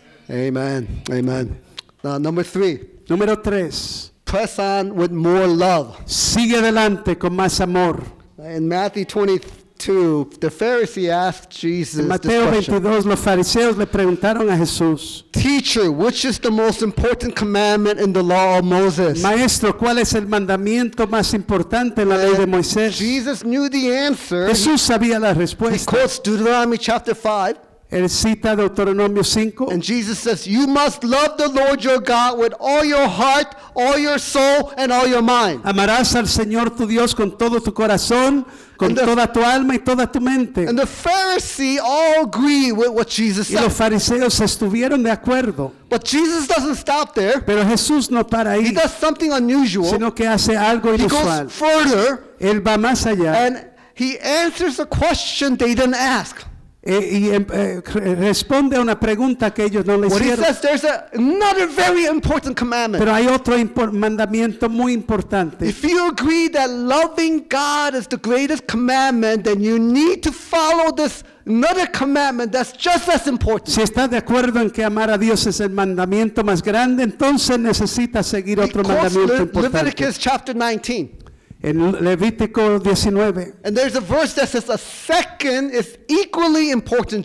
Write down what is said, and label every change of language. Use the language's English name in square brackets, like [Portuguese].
[English] Amen. Amen. Now, number three. [Spanish] Número tres. [English] Press on with more love. [Spanish] Sigue adelante con más amor. [English] In Matthew 22, the Pharisee asked Jesus. [Spanish] En Mateo 22, los fariseos le preguntaron a Jesús. [English] Teacher, which is the most important commandment in the law of Moses? [Spanish] Maestro, ¿cuál es el mandamiento más importante en la ley de Moisés? [English] Jesus knew the answer. [Spanish] Jesús sabía la respuesta. [English] He quotes Deuteronomy chapter 5. [Spanish] Él cita Deuteronomio 5. [English] And Jesus says, you must love the Lord your God with all your heart, all your soul, and all your mind. [Spanish] Amarás al Señor tu Dios con todo tu corazón, con toda tu alma y toda tu mente. [English] And the Pharisees all agree with what Jesus said. [Spanish] Y los fariseos estuvieron de acuerdo. [English] But Jesus doesn't stop there. [Spanish] Pero Jesús no para ahí. [English] He does something unusual. [Spanish] Sino que hace algo inusual. [English] He goes further. [Spanish] Él va más allá. [English] And he answers a question they didn't ask. [Spanish] Y responde a una pregunta que ellos no le [English] what [Spanish] hicieron. [English] He says, there's another very important commandment. [Spanish] Pero hay otro mandamiento muy importante. [English] If you agree that loving God is the greatest commandment, then you need to follow this another commandment that's just as important. [Spanish] Si está de acuerdo en que amar a Dios es el mandamiento más grande, entonces necesita seguir otro [English] because [Spanish] mandamiento importante. [English] Leviticus chapter 19. [Spanish] En Levítico 19. [English] And there's a verse that says a second is equally important.